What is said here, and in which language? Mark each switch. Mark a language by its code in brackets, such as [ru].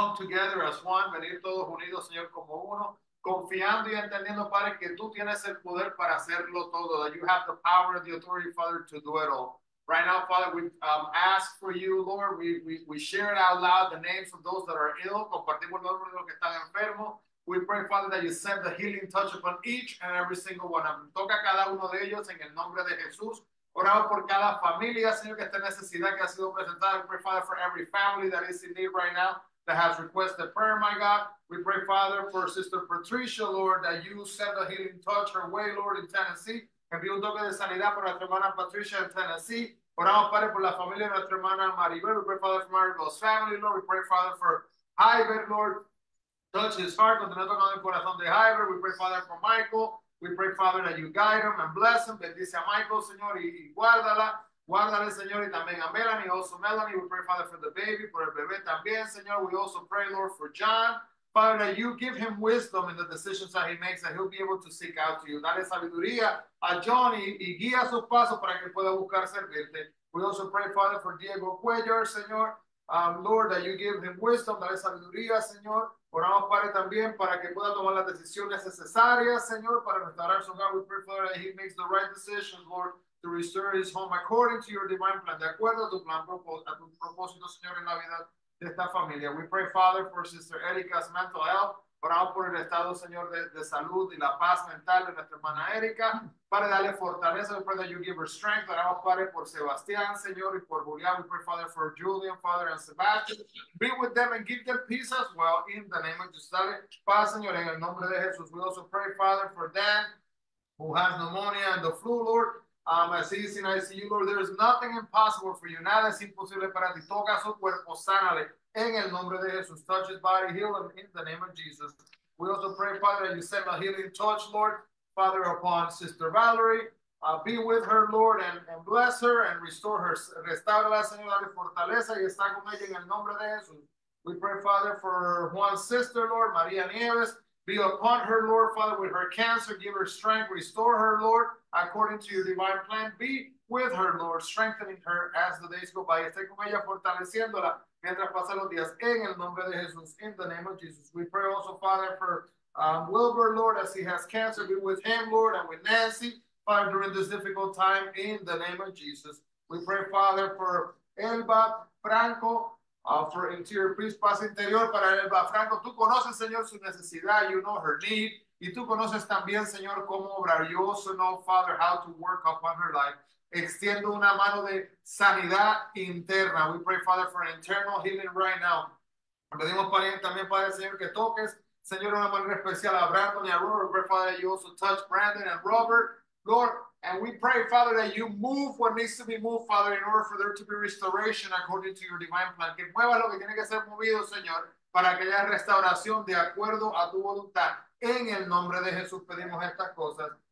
[en] come together as one, [es] venir todos unidos, Señor, como uno, confiando y entendiendo, Padre, que tú tienes el poder para hacerlo todo, [en] that you have the power and the authority, Father, to do it all. Right now, Father, we ask for you, Lord, we share it out loud, the names of those that are ill, [es] compartimos el nombre de los que están enfermos. [en] We pray, Father, that you send the healing touch upon each and every single one. [es] Toca cada uno de ellos en el nombre de Jesús. Oramos por cada familia, Señor, que está en necesidad, que ha sido presentada. [en] We pray, Father, for every family that is in need right now that has requested prayer, my God. We pray, Father, for Sister Patricia, Lord, that you send the healing touch her way, Lord, in Tennessee. [es] Envío un toque de sanidad para nuestra hermana Patricia en Tennessee. Oramos, Padre, por la familia de nuestra hermana Maribel. [en] We pray, Father, for Maribel's family, Lord. We pray, Father, for Ivan, Lord. Touch his heart, [es] continue tocando el corazón de Hyver. [en] We pray, Father, for Michael. We pray, Father, that you guide him and bless him. [es] Bendice a Michael, Señor, y guárdala. Guárdale, Señor, y también a Melanie, [en] also Melanie. We pray, Father, for the baby, [es] por el bebé también, Señor. [en] We also pray, Lord, for John. Father, that you give him wisdom in the decisions that he makes, that he'll be able to seek out to you. [es] Dale sabiduría a John y guía sus pasos para que pueda buscar servirte. [en] We also pray, Father, for Diego Cuellar, Señor. Lord, that you give him wisdom, [es] dale sabiduría, Señor. Oramos, Padre, también para que pueda tomar las decisiones necesarias, Señor, para restaurar su hogar. [en] We pray, Father, that he makes the right decisions, Lord, to restore his home according to your divine plan, [es] de acuerdo a tu plan, a tu propósito, Señor, en la vida de esta familia. [en] We pray, Father, for Sister Erika's mental health. [es] Oramos por el estado, Señor, de salud y la paz mental de nuestra hermana Erika. Padre, dale fortaleza. [en] We pray that you give her strength. [es] Oramos, Padre, por Sebastián, Señor, y por Julián. [en] We pray, Father, for Julian, Father, and Sebastian. Be with them and give them peace as well in the name of Jesus. [es] Dale paz, Señor, en el nombre de Jesús. [en] We also pray, Father, for Dan, who has pneumonia and the flu, Lord. As he's in ICU, Lord, there is nothing impossible for you. [es] Nada es imposible para ti. Toca su cuerpo, sánale en el nombre de Jesús. [en] Touch his body, heal him in the name of Jesus. We also pray, Father, that you send a healing touch, Lord. Father, upon Sister Valerie, be with her, Lord, and bless her and restore her. [es] Restaurala, Señora, de fortaleza y está con ella en el nombre de Jesús. [en] We pray, Father, for Juan's sister, Lord, Maria Nieves. Be upon her, Lord, Father, with her cancer. Give her strength. Restore her, Lord, according to your divine plan. Be with her, Lord, strengthening her as the days go by. [es] Esté con ella fortaleciéndola mientras pasan los días en el nombre de Jesús, [en] in the name of Jesus. We pray also, Father, for Wilbur, Lord, as he has cancer, be with him, Lord, and with Nancy, Father, during this difficult time, in the name of Jesus. We pray, Father, for Elba Franco, for interior peace, [es] paz interior, para Elba Franco. Tú conoces, Señor, su necesidad, [en] you know her need, [es] y tú conoces también, Señor, cómo obrar. [en] You also know, Father, how to work upon her life. [es] Extiendo una mano de sanidad interna. [en] We pray, Father, for internal healing right now. [es] Pedimos también, Padre, Señor, que toques, Señor, una manera especial a Brandon y a Robert. [en] We pray, Father, that you also touch Brandon and Robert, Lord. And we pray, Father, that you move what needs to be moved, Father, in order for there to be restoration according to your divine plan. [es] Que mueva lo que tiene que ser movido, Señor, para que haya restauración de acuerdo a tu voluntad. En el nombre de Jesús pedimos estas cosas.